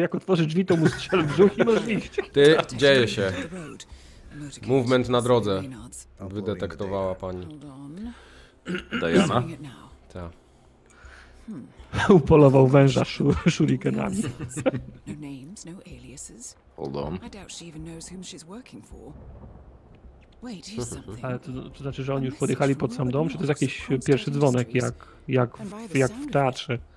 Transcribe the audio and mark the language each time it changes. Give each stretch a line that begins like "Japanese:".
Polish: Jak otworzy drzwi, to mu strzel w brzuch i masz iść. Ty, dzieje się. Movement na drodze. Wydetektowała pani. Diana? Tak. Upolował węża shurikenami.
English: No names, no aliases. Hold on. I doubt she even knows whom she's working for. Wait, here's something.
Polish: Ale to znaczy, że oni już podjechali pod sam dom, czy to jest jakiś pierwszy dzwonek, jak w teatrze?